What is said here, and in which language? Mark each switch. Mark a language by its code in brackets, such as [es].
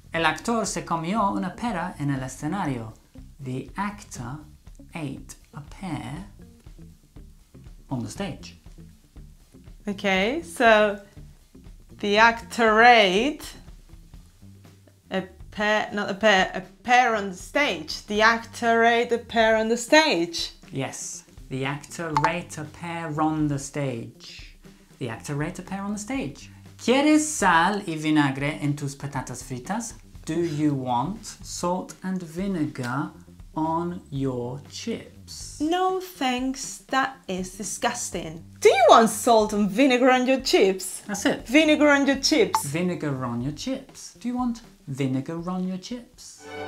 [es] El actor se comió una pera en el escenario. [en] The actor ate a pear on the stage. Okay, so the actor ate a pear on the stage. The actor ate a pear on the stage. Yes, the actor ate a pear on the stage. The actor ate a pear on the stage. [es] ¿Quieres sal y vinagre en tus patatas fritas? [en] Do you want salt and vinegar on your chips? No thanks, that is disgusting. Do you want salt and vinegar on your chips? That's it. Vinegar on your chips. Vinegar on your chips. Do you want vinegar on your chips?